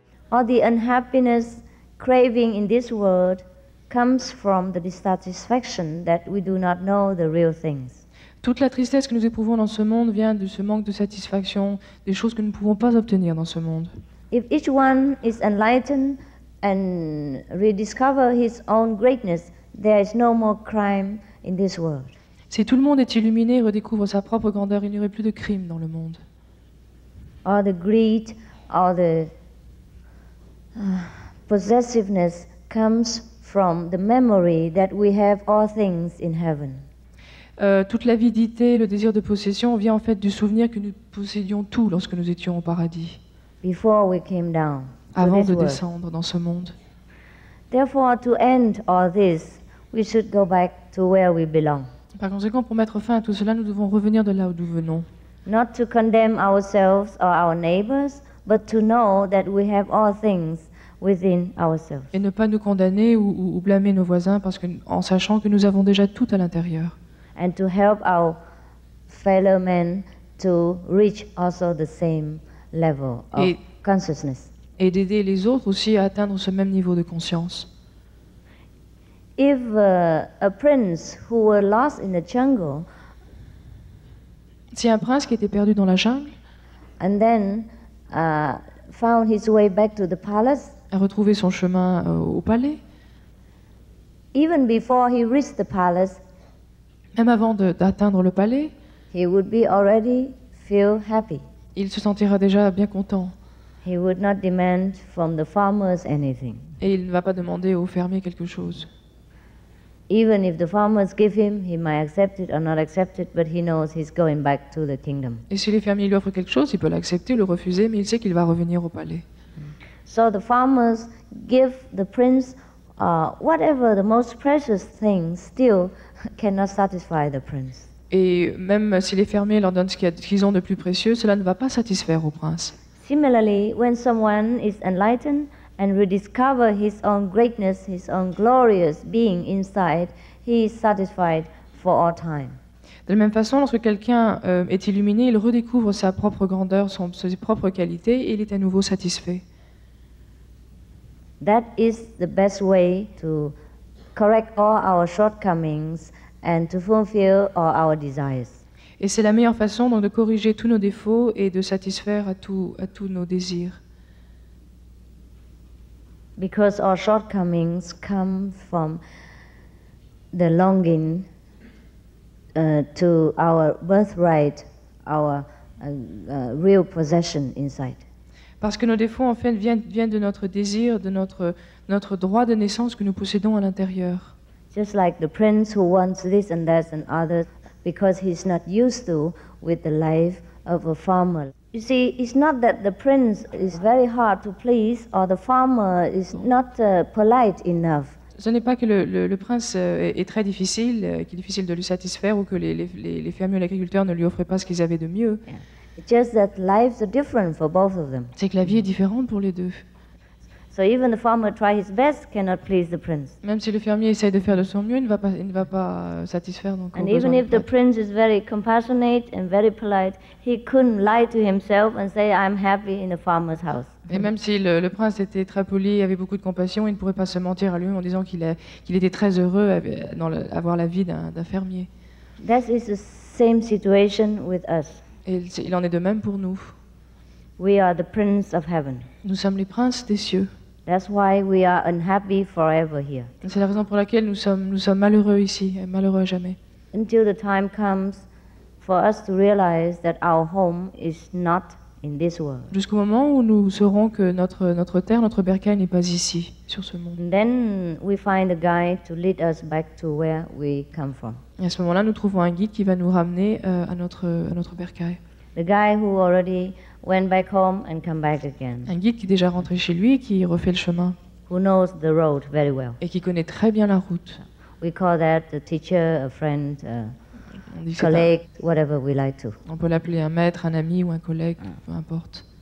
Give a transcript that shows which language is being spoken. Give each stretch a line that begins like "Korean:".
English: All the unhappiness, craving in this world comes from the dissatisfaction that we do not know the real things.
French: Toute la tristesse que nous éprouvons dans ce monde vient de ce manque de satisfaction, des choses que nous ne pouvons pas obtenir dans ce monde.
English: If each one is enlightened and rediscover his own greatness, there is no more crime in this world.
French: Si tout le monde est illuminé et redécouvre sa propre grandeur, il n'y aurait plus de crime dans le monde.
English: All the greed, all the possessiveness comes from the memory that we have all things in heaven.
French: Toute l'avidité, le désir de possession vient en fait du souvenir que nous possédions tout lorsque nous étions au paradis.
English: Before we came down.
French: Avant de descendre dans ce monde.
English: Therefore, to end all this, We should go back to where we belong.
French: Par conséquent, pour mettre fin à tout cela, nous devons revenir de là où nous venons.
English: Not to condemn ourselves or our neighbors, but to know that we have all things within ourselves.
French: Et ne pas nous condamner ou blâmer nos voisins parce que en sachant que nous avons déjà tout à l'intérieur.
English: And to help our fellow men to reach also the same level of consciousness.
French: Et d'aider les autres aussi à atteindre ce même niveau de conscience.
English: If a prince who were lost in the jungle,
French: si un prince qui était perdu dans la jungle,
English: and then found his way back to the palace,
French: a retrouvé son chemin au palais,
English: even before he reached the palace,
French: même avant d'atteindre le palais,
English: he would be already feel happy.
French: Il se sentira déjà bien content.
English: He would not demand from the farmers anything.
French: Et il ne va pas demander aux fermiers quelque chose.
English: Even if the farmers give him, he might accept it or not accept it, but he knows he's going back to the kingdom.
French: Et si les fermiers lui offrent quelque chose, il peut l'accepter ou le refuser, mais il sait qu'il va revenir au palais.
English: So the farmers give the prince whatever the most precious thing still cannot satisfy the prince.
French: Et même si les fermiers leur donnent ce qu'ils ont de plus précieux, cela ne va pas satisfaire au prince.
English: Similarly, when someone is enlightened and rediscover his own greatness, his own glorious being inside, he is satisfied for all time.
French: De la même façon, lorsque quelqu'un est illuminé, il redécouvre sa propre grandeur, ses propres qualités, et il est à nouveau satisfait.
English: That is the best way to correct all our shortcomings and to fulfill all our desires.
French: Et c'est la meilleure façon donc de corriger tous nos défauts et de satisfaire à tous nos désirs.
English: Because our shortcomings come from the longing to our birthright, our real possession inside.
French: Parce que nos défauts en fait viennent de notre désir, de notre droit de naissance que nous possédons à l'intérieur.
English: Just like the prince who wants this and that and others, because he's not used to with the life of a farmer. You see, it's not that the prince is very hard to please or the farmer is not polite enough.
French: Ce n'est pas que le prince est très difficile, qu'il est difficile de lui satisfaire ou que les fermiers ou l'agriculteur ne lui offraient pas ce qu'ils avaient de mieux.
English: Yeah. Just that lives are different for both of them.
French: C'est que la vie est différente pour les deux.
English: So even the farmer try his best cannot please the prince.
French: Même si le fermier essaie de faire de son mieux, il ne va pas satisfaire donc.
English: And even if the prince is very compassionate and very polite, he couldn't lie to himself and say I'm happy in the farmer's house.
French: Et même si le prince était très poli, avait beaucoup de compassion, il ne pourrait pas se mentir à lui-même en disant qu'il était très heureux avoir la vie d'un fermier.
English: That is the same situation with us.
French: Et il en est de même pour nous.
English: We are the prince of heaven.
French: Nous sommes les princes des cieux.
English: That's why we are unhappy forever here.
French: C'est la raison pour laquelle nous sommes malheureux ici, et malheureux à jamais.
English: Until the time comes for us to realize that our home is not in this world.
French: Jusqu'au moment où nous saurons que notre terre, notre bercail n'est pas ici, sur ce monde.
English: And then we find a guide to lead us back to where we come from.
French: Et à ce moment-là, nous trouvons un guide qui va nous ramener à notre bercail.
English: The guy who already went back home and come back again.
French: Un guide qui est déjà rentré chez lui et qui refait le chemin.
English: Who knows the road very well.
French: Et qui connaît très bien la route.
English: We call that a teacher, a friend, a colleague, whatever we like to.
French: On peut l'appeler un maître, un ami ou un collègue, peu importe.